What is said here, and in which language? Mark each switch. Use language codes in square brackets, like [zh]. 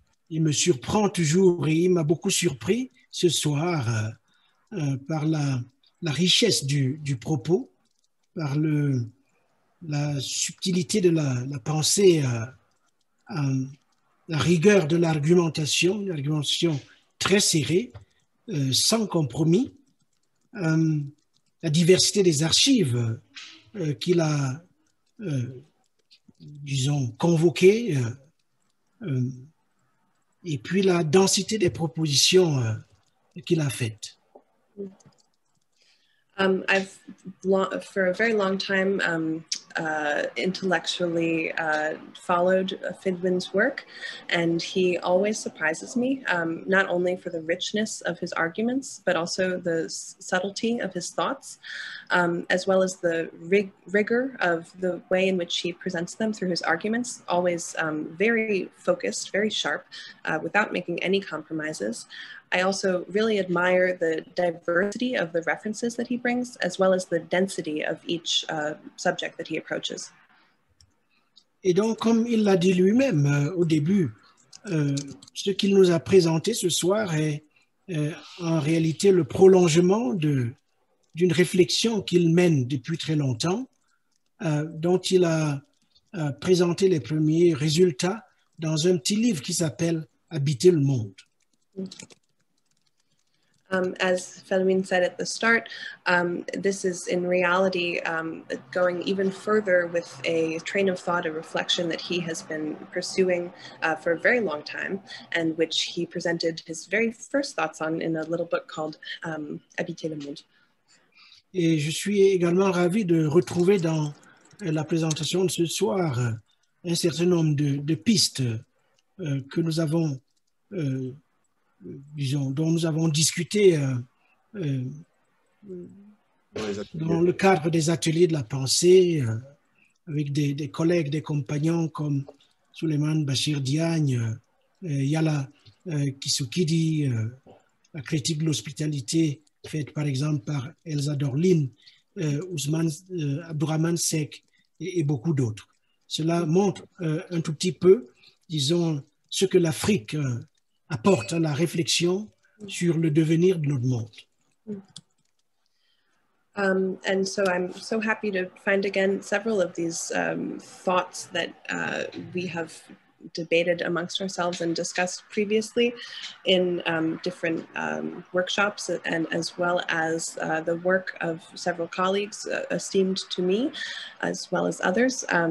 [fr] Il me surprend toujours et il m'a beaucoup surpris ce soir par la richesse du propos, par la subtilité de la pensée, la rigueur de l'argumentation, une argumentation très serrée, sans compromis, la diversité des archives qu'il a, disons, convoqué, et puis la densité des propositions qu'il a faites. [en] For a very long time, intellectually followed Felwine's work, and he always surprises me, not only for the richness of his arguments, but also the subtlety of his thoughts, as well as the rigor of the way in which he presents them through his arguments, always very focused, very sharp, without making any compromises. I also really admire the diversity of the references that he brings, as well as the density of each subject that he approaches. [fr] Et donc, comme il l'a dit lui-même au début, ce qu'il nous a présenté ce soir est en réalité le prolongement d'une réflexion qu'il mène depuis très longtemps, dont il a présenté les premiers résultats dans un petit livre qui s'appelle « Habiter le monde ». [en] As Felwine said at the start, this is in reality going even further with a train of thought, a reflection that he has been pursuing for a very long time, and which he presented his very first thoughts on in a little book called Habiter le Monde. [fr] Et je suis également ravi de retrouver dans la présentation de ce soir un certain nombre de pistes que nous avons dont nous avons discuté dans le cadre des ateliers de la pensée avec des collègues, des compagnons comme Souleymane Bachir Diagne, Yala Kisukidi, la critique de l'hospitalité faite par exemple par Elsa Dorlin, Ousmane Abdourahman Sek et beaucoup d'autres. Cela montre un tout petit peu, disons, ce que l'Afrique apporte la réflexion sur le devenir de notre monde. [en] And so I'm so happy to find again several of these thoughts that we have debated amongst ourselves and discussed previously in different workshops, and as well as the work of several colleagues esteemed to me, as well as others,